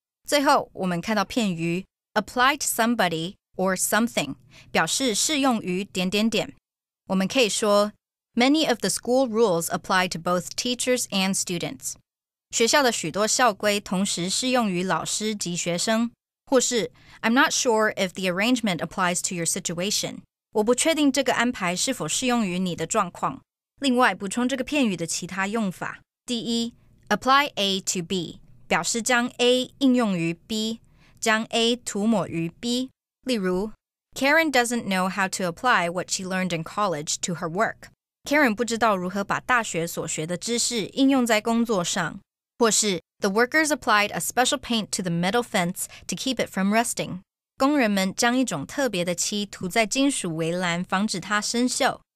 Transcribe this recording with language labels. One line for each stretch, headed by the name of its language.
Chinese: 最后,我们看到片语,
English: apply to somebody or something,
Chinese: 表示适用于点点点。我们可以说,
English: many of the school rules apply to both teachers and students.
Chinese: 学校的许多校规同时适用于老师及学生。或是
English: I'm not sure if the arrangement applies to your situation.
Chinese: 我不确定这个安排是否适用于你的状况。另外，补充这个片语的其他用法。第一 ,
English: apply A to B,
Chinese: 表示将 A 应用于 B, 将 A 涂抹于 B。例如
English: ,Karen doesn't know how to apply what she learned in college to her work.
Chinese: Karen 不知道如何把大学所学的知识应用在工作上。或是
English: ,The workers applied a special paint to the metal fence to keep it from rusting.
Chinese: 工人们将一种特别的漆涂在金属围栏防止它生锈。